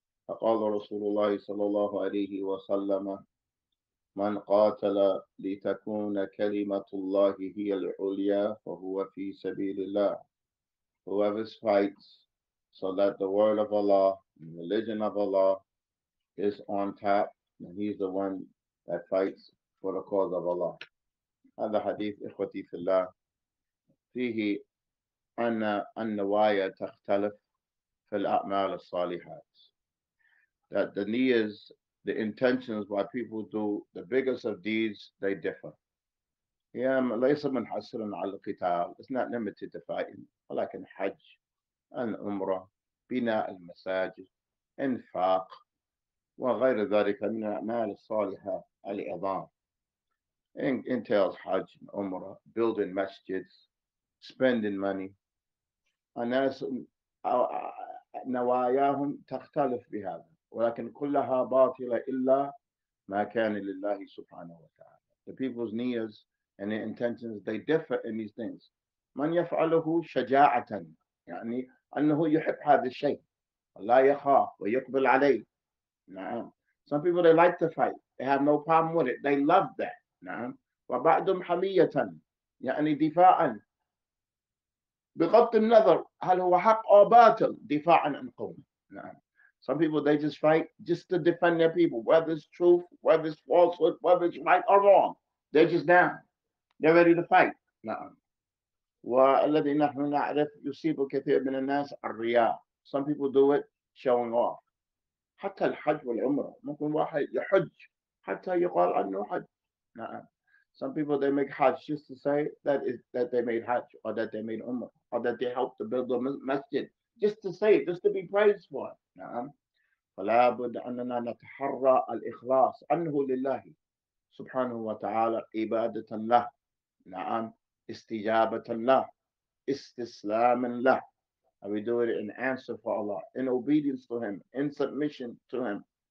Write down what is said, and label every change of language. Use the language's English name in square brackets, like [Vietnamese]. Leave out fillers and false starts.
[Arabic] فقال رسول الله صلى الله عليه وسلم: من قاتل لتكون كلمة الله هي العليا فهو في سبيل الله. [English] Whoever fights so that the word of Allah and religion of Allah is on top, and he's the one that fights for the cause of Allah. [Arabic] هذا حديث إخوتي في الله فيه أن النوايا تختلف في الأعمال الصالحات. [English] That the niyas, the intentions why people do the biggest of deeds, they differ. It's not limited to fighting, like in Hajj, and Umrah, Bina al-Masajid, Infaq, [Arabic] وغير ذلك من الأعمال الصالحة العظام. [English] It entails Hajj and Umrah, building masjids, spending money. [Arabic] الناس نواياهم تختلف بهذا. ولكن كلها باطلة إلا ما كان لله سبحانه وتعالى. [English] The people's niyas and their intentions, they differ in these things. [Arabic] من يفعله شجاعة يعني أنه يحب هذا الشيء لا يخاف ويقبل عليه. نعم. [English] Some people they like to fight. They have no problem with it. They love that. نعم. [Arabic] وبعضهم حمية يعني دفاعا بغض النظر هل هو حق أو باطل دفاعا عن قوم. نعم. [English] Some people, they just fight just to defend their people, whether it's truth, whether it's falsehood, whether it's right or wrong. They're just down. They're ready to fight. [Arabic] نعم. وَالَّذِي نَحْنُ نَعْرِفْ يُصِيبُ كَثِيرٌ مِنَ النَّاسِ الرِّيَاءُ. [English] Some people do it showing off. [Arabic] حتى الحج والعمرة. ممكن واحد يحج حتى يقال أنه حج. نعم. [English] Some people, they make hajj just to say that is that they made hajj or that they made umrah or that they helped to build the masjid. Just to say it, just to be praised for it. [Arabic] نعم. فلا بد أننا نتحرى الإخلاص عنه لله سبحانه وتعالى عبادة له. نعم. استجابة له. استسلام له. [English] And we do it in answer for Allah, in obedience to Him, in submission to Him.